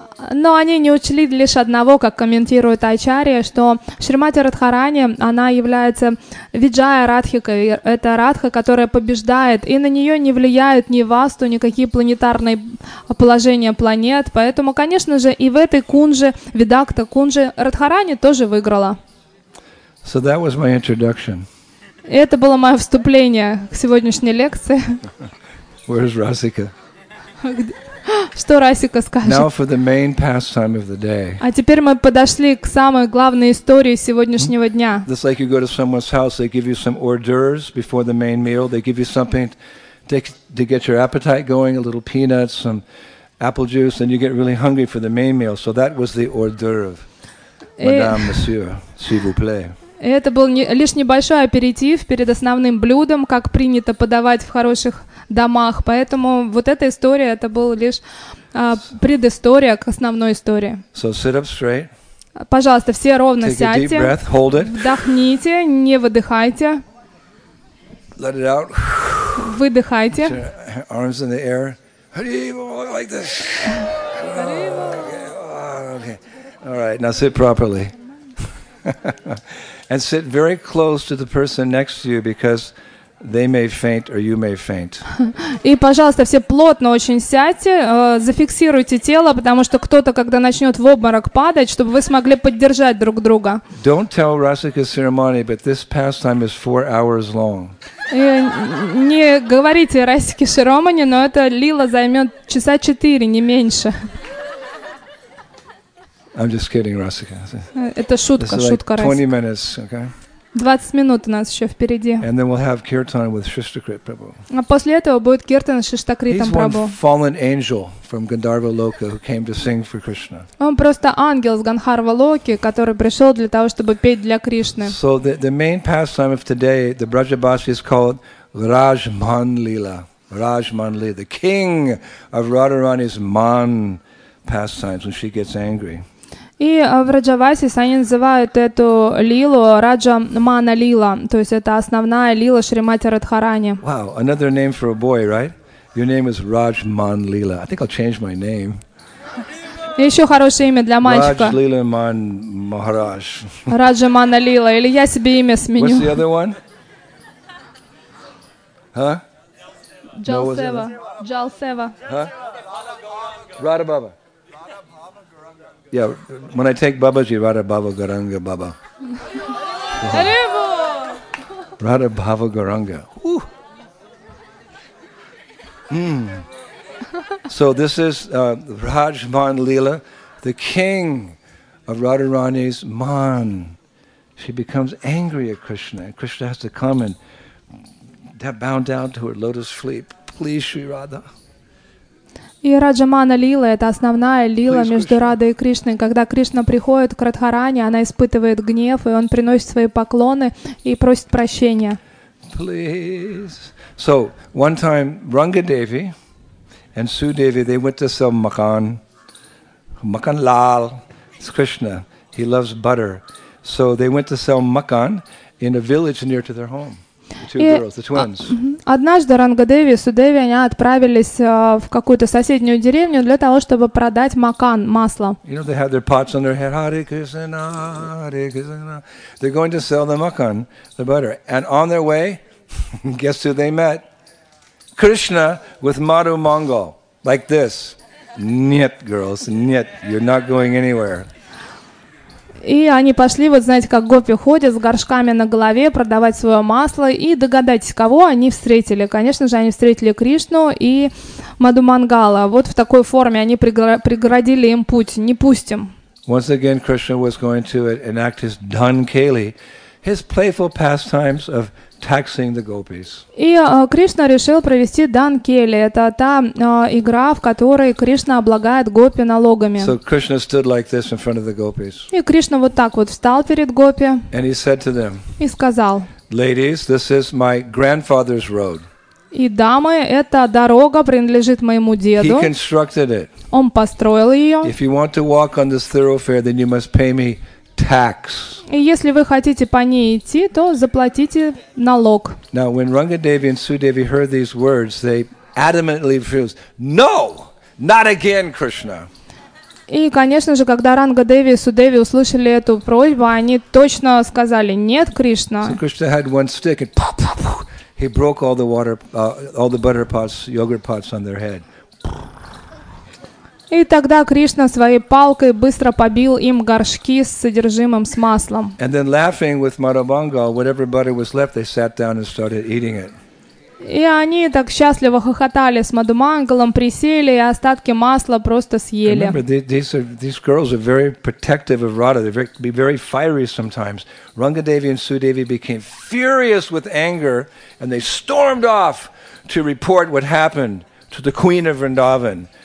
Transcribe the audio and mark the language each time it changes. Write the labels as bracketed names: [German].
[Russian] Но они не учли лишь одного, как комментирует Ачария, что Шримати Радхарани, она является Виджая Радхикой, это Радха, которая побеждает, и на нее не влияют ни Васту, ни какие планетарные положения планет, поэтому, конечно же, и в этой кунже, Видакта кунже, Радхарани тоже выиграла. [English] So that was my introduction. [Russian] Это было мое вступление к сегодняшней лекции. [English] Where's Rasika? [Russian] Что Расика скажет? [English] Now for the main pastime of the day. [Russian] А теперь мы подошли к самой главной истории сегодняшнего дня. [English] It's like you go to someone's house, they give you some hors d'oeuvres before the main meal, they give you something to get your appetite going, a little peanuts, some apple juice, and you get really hungry for the main meal. So that was the hors d'oeuvre, [French] madame, monsieur, s'il vous plaît. [Russian] Это был лишь небольшой аперитив перед основным блюдом, как принято подавать в хороших домах, поэтому вот эта история, это была лишь предыстория к основной истории. [English] So sit up straight. [Russian] Пожалуйста, все ровно [English] Take [Russian] сядьте. [English] A deep breath, hold it. [Russian] Вдохните, не выдыхайте. [English] Let it out. [Russian] Выдыхайте. [English] Arms in the air. Like this. Okay. All right, now sit properly. And sit very close to the person next to you because they may faint or you may faint. [Russian] И, пожалуйста, все плотно очень сядьте, зафиксируйте тело, потому что кто-то, когда начнет в обморок падать, чтобы вы смогли поддержать друг друга. [English] Don't tell Rasika Sirimani, but this pastime is 4 hours long. [Russian] Не говорите Расике Ширамани, но эта лила займет часа 4, не меньше. [English] I'm just kidding, Rasika. [Russian] Это шутка, шутка, Расика. [English] 20 minutes, okay? [Russian] 20 минут у нас еще впереди. [English] And then we'll have kirtan with Shristakrit Prabhu. [Russian] А после этого будет киртан с Шриштакритом Прабху. [English] He's one fallen angel from Gandharva Loka who came to sing for Krishna. [Russian] Он просто ангел с Гандхарва Локи, который пришел для того, чтобы петь для Кришны. [English] So the main pastime of today, the Brajabhasi is called Rajmanlila. Rajmanlila, the king of Radharani's man pastimes when she gets angry. [Russian] И в Раджавасис они называют эту лилу Раджа Мана Лила, то есть это основная лила Шримати Радхарани. [English] Wow, another name for a boy, right? Your name is Rajman Lila. I think I'll change my name. [Russian] Еще хорошее имя для мальчика. [English] Raj Lila Man Maharaj. [Russian] Раджа Мана Лила, или я себе имя сменю. [English] What's the other one? Huh? [Russian] Джалсева. Джалсева. [English] Huh? Radha Baba. Yeah, when I take Babaji, Radha Bhava Garanga Baba. Hello! Radha Bhava Garanga. So this is Rajman Leela, the king of Radharani's man. She becomes angry at Krishna, and Krishna has to come and bow down to her lotus feet. Please, Sri Radha. [Russian] И Раджамана Лила — это основная лила между Радой и Кришной. Когда Кришна приходит к Радхарани, она испытывает гнев, и он приносит свои поклоны и просит прощения. [English] please. So one time, Ranga Devi and Su Devi, they went to sell makan. Makan Lal. It's Krishna. He loves butter. So they went to sell makan in a village near to their home. Two girls, the twins. [Russian] Однажды Ранга Деви и Су Деви они отправились в какую-то соседнюю деревню для того, чтобы продать макан, масло. [English] You know, they have their pots on their head. Hare Krishna, Hare Krishna. They're going to sell the makan, the butter. And on their way, guess who they met? Krishna with Madhu Mangal. Like this. [Russian] Нет, [English] girls, [Russian] нет, [English] you're not going anywhere. [Russian] И они пошли, вот знаете, как гопи ходят с горшками на голове, продавать свое масло. И догадайтесь, кого они встретили. Конечно же, они встретили Кришну и Мадху Мангала. Вот в такой форме они преградили им путь. Не пустим. [English] Once again, Krishna was going to enact his dhankeli, his playful pastimes of taxing the gopis. [Russian] И Кришна решил провести дхан-кели. Это та игра, в которой Кришна облагает гопи налогами. [English] So Krishna stood like this in front of the gopis. [Russian] И Кришна вот так вот встал перед гопи. [English] And he said to them. [Russian] И сказал. [English] Ladies, this is my grandfather's road. [Russian] И дамы, эта дорога принадлежит моему деду. [English] He constructed it. [Russian] Он построил ее. [English] If you want to walk on this thoroughfare, then you must pay me tax. [Russian] И если вы хотите по ней идти, то заплатите налог. [English] Now, when Ranga Devi and Su Devi heard these words, they adamantly refused. No, not again, Krishna. [Russian] И, конечно же, когда Ранга Деви и Су Деви услышали эту просьбу, они точно сказали: нет, Кришна. [English] So Krishna had one stick and poof, poof, poof, he broke all the water, all the butter pots, yogurt pots on their head. [Russian] И тогда Кришна своей палкой быстро побил им горшки с содержимым, с маслом. [English] And then laughing with Madhu Mangal, whatever butter was left, they sat down and started eating it. [Russian] И они так счастливо хохотали с Мадху Мангалом, присели и остатки масла просто съели. [English] Remember, these girls are very protective of Radha. They be very fiery sometimes. Ranga Devi and Su Devi became furious with anger and they stormed off to report what happened to the queen of Vrindavan.